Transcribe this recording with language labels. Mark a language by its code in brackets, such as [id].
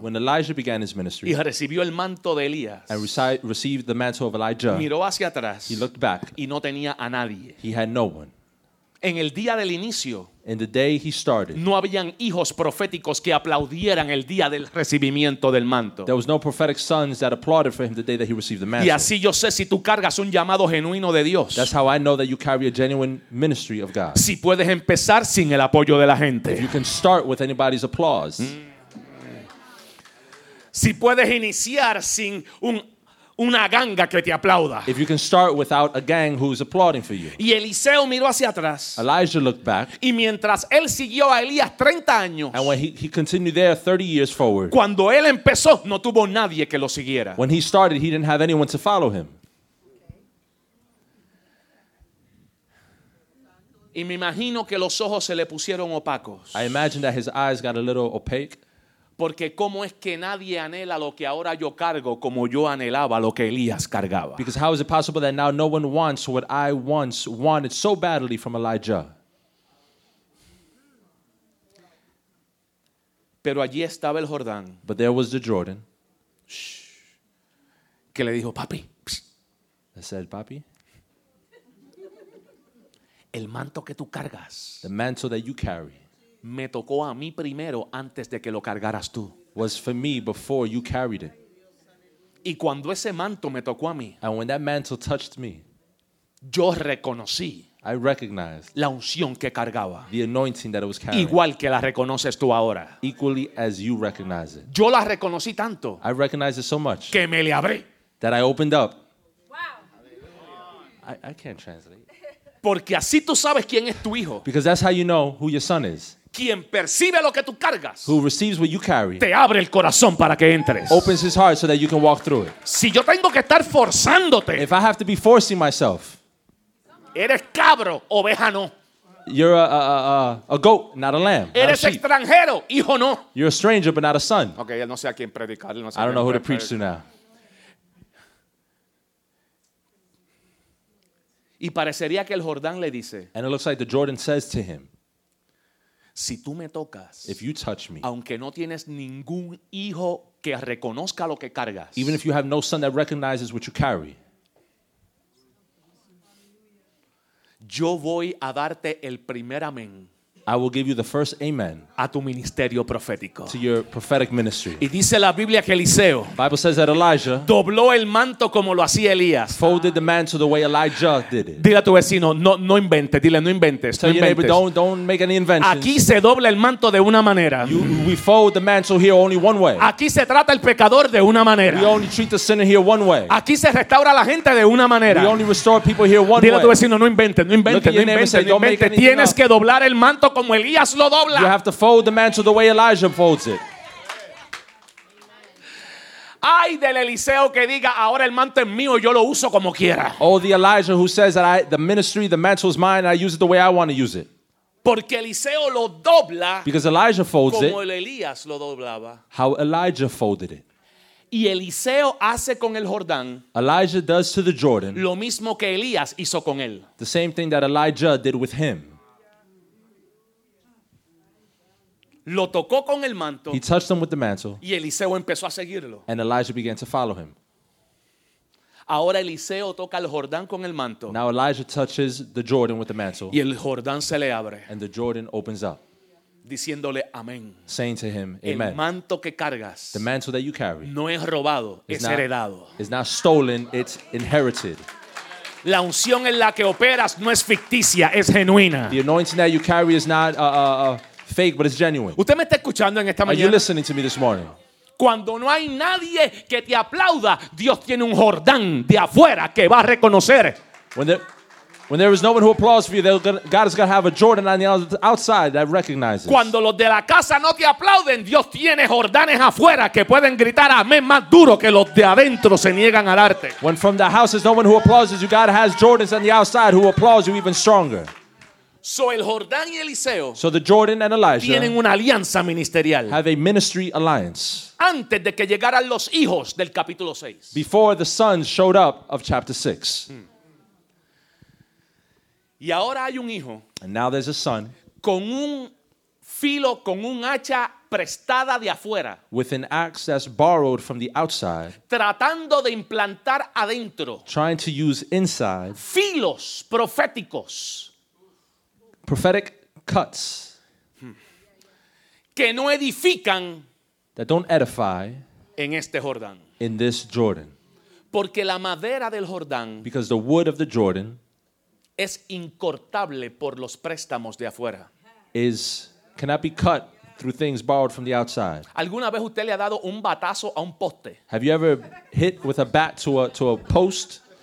[en] When Elijah began his ministry. [es] Y recibió el manto de Elías. [en] And received the mantle of Elijah. [es] Miró hacia atrás. [en] He looked back. [es] Y no tenía a nadie. [en] He had no one. [es] En el día del inicio. [en] In the day he started. [es] No habían hijos proféticos que aplaudieran el día del recibimiento del manto. [en] There was no prophetic sons that applauded for him the day that he received the mantle. [es] Y así yo sé si tú cargas un llamado genuino de Dios. [en] That's how I know that you carry a genuine ministry of God. [es] Si puedes empezar sin el apoyo de la gente. [en] If you can start with anybody's applause. [es] Si puedes iniciar sin una ganga que te aplauda. [en] If you can start without a gang who's applauding for you. [es] Y Eliseo miró hacia atrás. [en] Elijah looked back. [es] Y mientras él siguió a Elías 30 años. [en] And when he continued there 30 years forward. [es] Cuando él empezó, no tuvo nadie que lo siguiera. [en] When he started, he didn't have anyone to follow him. [es] Y me imagino que los ojos se le pusieron opacos. [en] I imagine that his eyes got a little opaque. [es] Porque cómo es que nadie anhela lo que ahora yo cargo como yo anhelaba lo que Elías cargaba. [en] Because how is it possible that now no one wants what I once wanted so badly from Elijah? [es] Pero allí estaba el Jordán. [en] But there was the Jordan. [es] Que le dijo, papi. [en] I said, papi. [es] El manto que tú cargas. [en] The mantle that you carry. [es] Me tocó a mí primero antes de que lo cargaras tú. [en] Was for me before you carried it. [es] Y cuando ese manto me tocó a mí. [en] And when that mantle touched me. [es] Yo reconocí. [en] I recognized. [es] La unción que cargaba. [en] The anointing that it was carrying. [es] Igual que la reconoces tú ahora. [en] Equally as you recognize it. [es] Yo la reconocí tanto. [en] I recognized it so much. [es] Que me le abrí. [en] That I opened up. Wow. I can't translate. [es] Porque así tú sabes quién es tu hijo. [en] Because that's how you know who your son is. [es] Quien percibe lo que tú cargas. [en] Who receives what you carry. [es] Te abre el corazón para que entres. [en] Opens his heart so that you can walk through it. [es] Si yo tengo que estar forzándote. [en] If I have to be forcing myself. [es] Eres cabro, oveja no. [en] You're a goat, not a lamb. [es] Eres [en] not a sheep. [es] Extranjero, hijo no. [en] You're a stranger, but not a son. [es] Okay, no sé a quién predicar. No sé [en] I don't know who to preach to now. [es] Y parecería que el Jordán le dice, [en] and it looks like the Jordan says to him, [es] si tú me tocas, [en] if you touch me, [es] aunque no tienes ningún hijo que reconozca lo que cargas, [en] even if you have no son that recognizes what you carry, [es] yo voy a darte el primer amén. [en] I will give you the first amen [es] a tu ministerio profético. [en] To your prophetic ministry. [es] Y dice la Biblia que Eliseo, [en] Bible says that Elijah, [es] dobló el manto como lo hacía Elías. [en] Folded the mantle the way Elijah did it. [es] Dile a tu vecino, no inventes. Dile, no inventes. [en] Tell your neighbor, don't make any inventions. [es] Aquí se dobla el manto de una manera. [en] We fold the mantle here only one way. [es] Aquí se trata el pecador de una manera. [en] We only treat the sinner here one way. [es] Aquí se restaura la gente de una manera. [en] We only restore people here one way. [es] Dile a tu vecino, no inventes. Tienes que doblar el manto como Elías lo dobla. [en] You have to fold the mantle the way Elijah folds it. [es] Ay del Eliseo que diga, ahora el manto es mío, yo lo uso como quiera. [en] Oh, the Elijah who says that the ministry, the mantle is mine, I use it the way I want to use it. [es] Porque Eliseo lo dobla. [en] Because Elijah folds [es] como [en] it. [es] Como Elías lo doblaba. [en] How Elijah folded it. [es] Y Eliseo hace con el Jordán. [en] Elijah does to the Jordan. [es] Lo mismo que Elías hizo con él. [en] The same thing that Elijah did with him. [es] Lo tocó con el manto. [en] He touched him with the mantle. [es] Y Eliseo empezó a seguirlo. [en] And Elijah began to follow him. [es] Ahora Eliseo toca el Jordán con el manto. [en] Now Elijah touches the Jordan with the mantle. [es] Y el Jordán se le abre. [en] And the Jordan opens up. [es] Diciéndole amén. [en] Saying to him, amen. [es] El manto que cargas. [en] The mantle that you carry. [es] No es robado, es heredado. [en] It's not stolen, it's inherited. [es] La unción en la que operas no es ficticia, es genuina. [en] The anointing that you carry is not fake, but it's genuine. [es] ¿Usted me está escuchando en esta mañana? [en] Are you listening to me this morning? [es] Cuando no hay nadie que te aplauda, Dios tiene un Jordán de afuera que va a reconocer. [en] When there is no one who applauds for you, God is going to have a Jordan on the outside that recognizes. [es] Cuando los de la casa no te aplauden, Dios tiene Jordanes afuera que pueden gritar amén más duro que los de adentro se niegan a darte. [en] When from the house is no one who applauds you, God has Jordans on the outside who applaud you even stronger. [es] So el Jordán y Eliseo, [en] so the Jordan and Elijah, [es] tienen una alianza ministerial. [en] Have a ministry alliance. [es] Antes de que llegaran los hijos del capítulo 6. [en] Before the sons showed up of chapter 6. [es] Y ahora hay un hijo. [en] And now there's a son. [es] Con un filo, con un hacha prestada de afuera. [en] With an axe that's borrowed from the outside. [es] Tratando de implantar adentro. [en] Trying to use inside. [es] Filos proféticos. [en] Prophetic cuts [es] que no edifican, [en] that don't edify [es] en este Jordán, [en] in this Jordan, [es] porque la madera del Jordán, [en] because the wood of the Jordan [es] es incortable por los préstamos de afuera, [en] is cannot be cut through things borrowed from the outside. [es] ¿Alguna vez usted le ha dado un batazo a un poste? [en] Have you ever hit with a bat to a post?